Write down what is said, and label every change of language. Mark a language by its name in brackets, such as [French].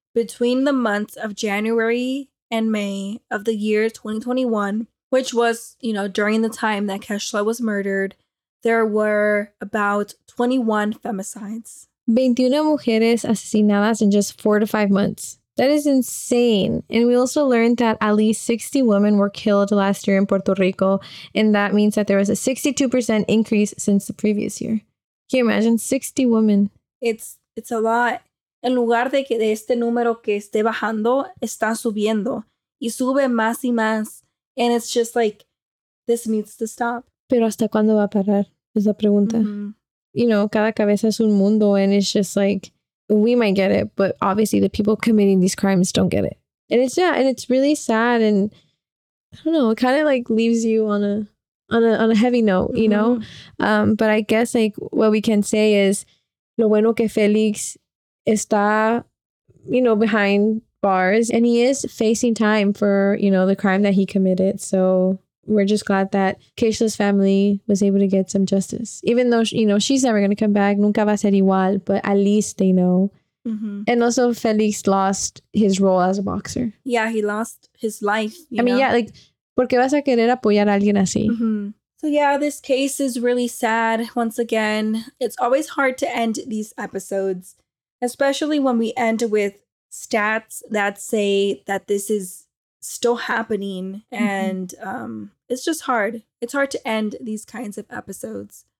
[English] Between the months of January and May of the year 2021, which was, you know, during the time that Kesha was murdered, there were about 21 femicides. 21 [Spanish] mujeres asesinadas [English] in just 4 to 5 months. That is insane. And we also learned that at least 60 women were killed last year in Puerto Rico. And that means that there was a 62% increase since the previous year. Can you imagine 60 women? It's a lot. [Spanish] En lugar de que este número que esté bajando, está subiendo. Y sube más y más. [English] And it's just like, this needs to stop. [Spanish] Pero hasta cuándo va a parar? Es la pregunta. Mm-hmm. [English] You know, [Spanish] cada cabeza es un mundo, [English] and it's just like, we might get it, but obviously the people committing these crimes don't get it. And it's, yeah, and it's really sad, and I don't know, it kind of like leaves you on a heavy note, you mm-hmm. know? But I guess like what we can say is, [Spanish] lo bueno que Félix está, [English] you know, behind bars, and he is facing time for, you know, the crime that he committed. So we're just glad that Keisha's family was able to get some justice, even though, you know, she's never going to come back. [Spanish] Nunca va a ser igual, [English] but at least they know. [Spanish] Mm-hmm. [English] And also Felix lost his role as a boxer. Yeah, he lost his life. I mean, yeah, like, [Spanish] ¿por qué vas a querer apoyar a alguien así? [English] Mm-hmm. So yeah, this case is really sad. Once again, it's always hard to end these episodes, especially when we end with stats that say that this is still happening. Mm-hmm. And it's just hard. It's hard to end these kinds of episodes.